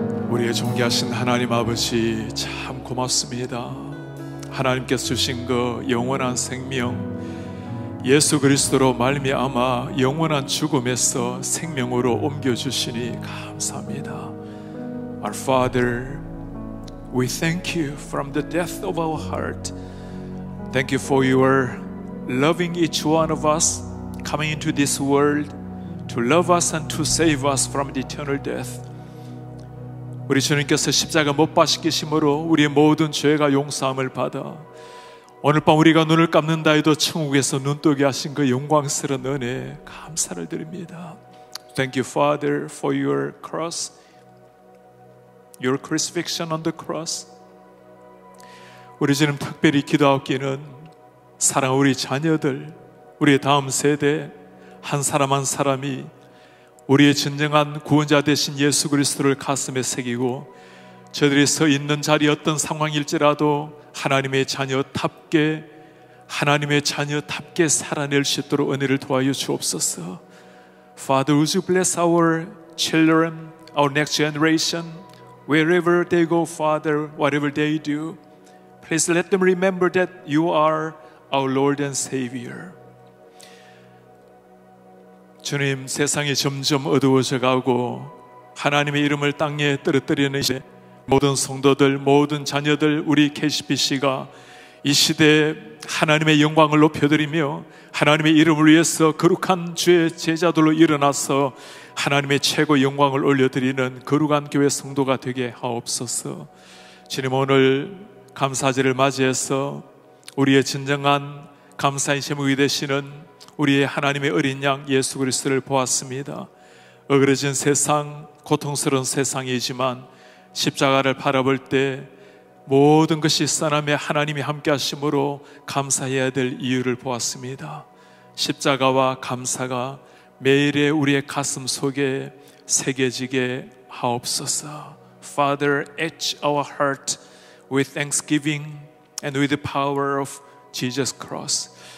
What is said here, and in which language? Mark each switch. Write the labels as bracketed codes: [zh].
[ko] 우리의 존귀하신 하나님 아버지 참 고맙습니다. 하나님께서 주신 그 영원한 생명 예수 그리스도로 말미암아 영원한 죽음에서 생명으로 옮겨주시니 감사합니다. [en] Our Father, we thank you from the depth of our heart. Thank you for your loving each one of us coming into this world to love us and to save us from the eternal death. [ko] 우리 주님께서 십자가 못 박히심으로 우리의 모든 죄가 용서함을 받아 오늘 밤 우리가 눈을 감는다 해도 천국에서 눈뜨게 하신 그 영광스러운 은혜 감사를 드립니다. [en] Thank you, Father, for your cross, your crucifixion on the cross. [ko] 우리 주님 특별히 기도하옵기는 사랑 우리 자녀들, 우리의 다음 세대 한 사람 한 사람이 우리의 진정한 구원자 되신 예수 그리스도를 가슴에 새기고 저들이 서 있는 자리 어떤 상황일지라도 하나님의 자녀답게 하나님의 자녀답게 살아낼 수 있도록 은혜를 도와 주옵소서. [en] Father, would you bless our children, our next generation, wherever they go, Father, whatever they do, please let them remember that you are our Lord and Savior. [ko] 주님, 세상이 점점 어두워져가고 하나님의 이름을 땅에 떨어뜨리는 시대 모든 성도들, 모든 자녀들, 우리 KCPC가 이 시대에 하나님의 영광을 높여드리며 하나님의 이름을 위해서 거룩한 주의 제자들로 일어나서 하나님의 최고 영광을 올려드리는 거룩한 교회 성도가 되게 하옵소서. 주님, 오늘 감사절을 맞이해서 우리의 진정한 감사의 제목이 되시는 우리의 하나님의 어린 양 예수 그리스도를 보았습니다. 어그러진 세상, 고통스러운 세상이지만 십자가를 바라볼 때 모든 것이 선함에 하나님이 함께 하심으로 감사해야 될 이유를 보았습니다. 십자가와 감사가 매일의 우리의 가슴 속에 새겨지게 하옵소서. [en] Father, etch our heart with thanksgiving and with the power of Jesus Christ.